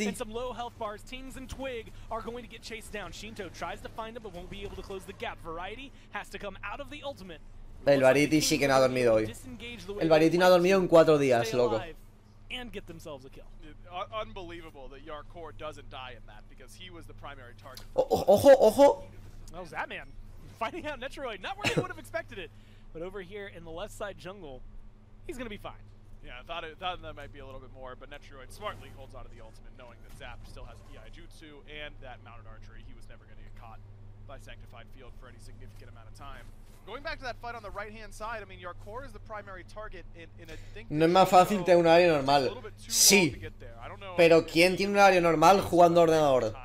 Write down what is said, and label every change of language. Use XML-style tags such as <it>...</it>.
<en>And some low health bars, Tings and Twig are going to get chased down. Shinto tries to find him but won't be able to close the gap. Variety has to come out of the ultimate.</en> <es>El Variety sí que no ha dormido hoy. El Variety no ha dormido en 4 días, loco.</es> <en>And get themselves a kill. Unbelievable that Yarkor doesn't die in that because he was the primary target.</en> <es>Ojo, ojo.</es> <en>That was that man fighting out Netroid, not where they would have expected it. But over here in the left side jungle, he's going to be fine. Yeah, I thought that might be a little bit more, but Netroid smartly holds onto the ultimate, knowing that Zap still has EI Jutsu and that mounted archery. He was never going to get caught by Sanctified Field for any significant amount of time. Going back to that fight on the right hand side, I mean, Yarkor is the primary target in a think.</en> <es>No es más fácil tener un área normal. Sí. Pero ¿quién tiene un área normal jugando ordenador?</es>